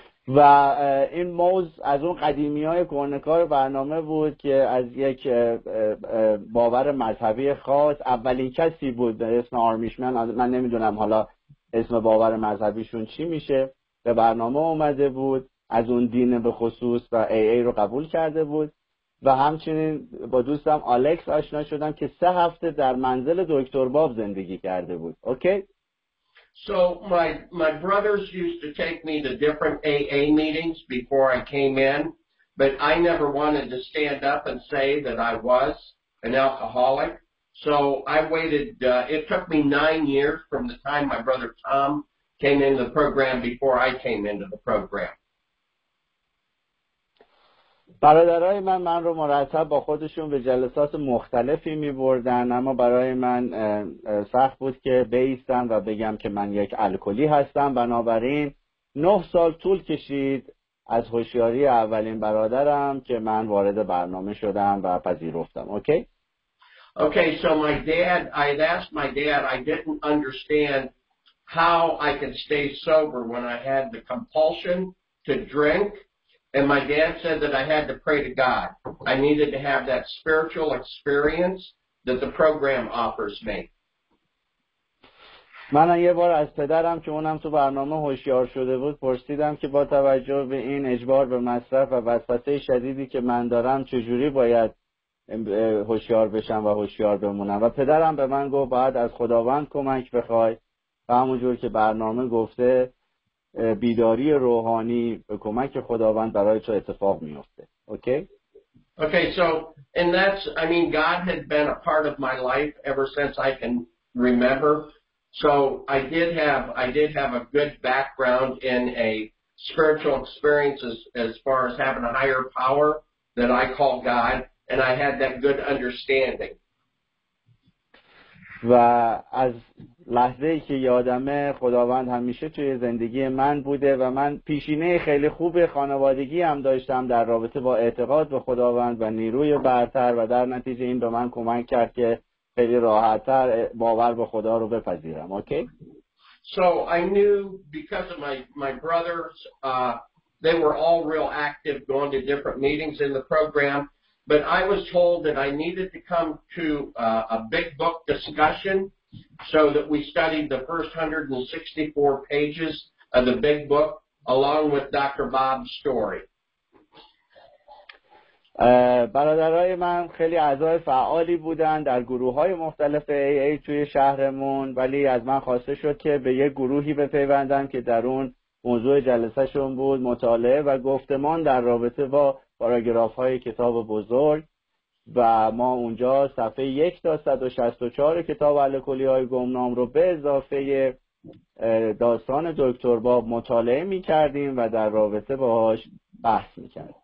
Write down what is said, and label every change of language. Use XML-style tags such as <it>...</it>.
<fa>و این موز از اون قدیمی های کهنه‌کار برنامه بود که از یک باور مذهبی خاص اولین کسی بود به اسم آرمیشمن، من نمیدونم حالا اسم باور مذهبیشون چی میشه، به برنامه اومده بود از اون دین به خصوص و ای رو قبول کرده بود. و همچنین با دوستم آلکس آشنا شدم که 3 هفته در منزل دکتر باب زندگی کرده بود.</fa> <en>Okay? So my brothers used to take me to different AA meetings before I came in, but I never wanted to stand up and say that I was an alcoholic. So I waited, it took me 9 years from the time my brother Tom came into the program before I came into the program.</en> <fa>برادرای من رو مرتب با خودشون به جلسات مختلفی می بردن، اما برای من سخت بود که بیستم و بگم که من یک الکلی هستم. بنابراین 9 سال طول کشید از هوشیاری اولین برادرم که من وارد برنامه شدم و پذیرفتم.</fa> <en>Okay? Okay, so my dad, I had asked my dad, I didn't understand how I could stay sober when I had the compulsion to drink. And my dad said that I had to pray to God. I needed to have that spiritual experience that the program offers me.</en> <fa>من یه بار از پدرم که اونم تو برنامه هوشیار شده بود پرسیدم که با توجه به این اجبار به مصرف و وسوسه شدیدی که من دارم چجوری باید هوشیار بشم و هوشیار بمونم، و پدرم به من گفت باید از خداوند کمک بخوای و همونجور که برنامه گفته بیداری روحانی به کمک خداوند برای تو اتفاق میفته.</fa> <en>Okay, so, and that's, I mean, God had been a part of my life ever since I can remember. So I did have a good background in a spiritual experience as far as having a higher power that I call God, and I had that good understanding.</en> <fa>و از لحظه ای که یادمه خداوند همیشه توی زندگی من بوده و من پیشینه خیلی خوب خانوادگی هم داشتم در رابطه با اعتقاد به خداوند و نیروی برتر، و در نتیجه این به من کمک کرد که خیلی راحت‌تر باور به خدا رو بپذیرم.</fa> <en>Okay? So I knew because of my brothers, they were all real active going to different meetings in the program. But I was told that I needed to come to a big book discussion so that we studied the first 164 pages of the big book along with Dr. Bob's story.</en> <fa>برادرای من خیلی اعضای فعالی بودن در گروه‌های مختلف AA توی شهرمون، ولی از من خواسته شد که به یک گروهی بپیوندم که در اون موضوع جلسه‌شون بود مطالعه و گفتمان در رابطه با پاراگراف های کتاب بزرگ، و ما اونجا صفحه 1-164 کتاب الکلی های گمنام رو به اضافه داستان دکتر باب مطالعه می کردیم و در رابطه باهاش بحث می کردیم.</fa>